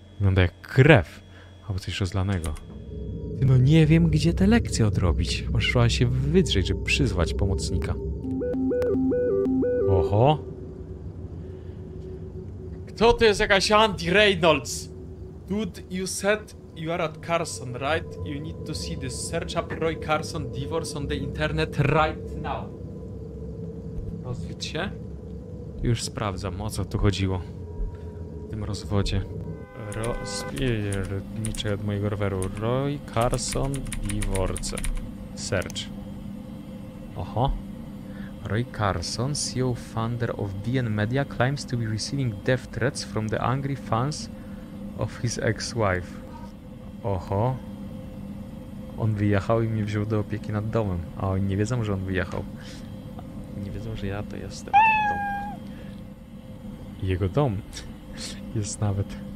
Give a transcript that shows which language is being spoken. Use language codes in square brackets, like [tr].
[pl] Wygląda jak krew. Albo coś rozlanego. No nie wiem, gdzie te lekcje odrobić. Może trzeba się wydrzeć, żeby przyzwać pomocnika. Oho. Kto to jest jakaś Andy Reynolds? [en] Dude, you said you are at Carson, right? You need to see this. Search up Roy Carson divorce on the internet right now. [pl] Rozwiedź się? Już sprawdzam, o co tu chodziło. W tym rozwodzie. Rozpierdniczę od mojego roweru. [en] Roy Carson divorce. Search. Oho. Roy Carson, CEO founder of BN Media, claims to be receiving death threats from the angry fans of his ex-wife. Oho. [pl] On wyjechał i mnie wziął do opieki nad domem. A oni nie wiedzą, że on wyjechał. Nie wiedzą, że ja to jestem. Dom. Jego dom jest nawet...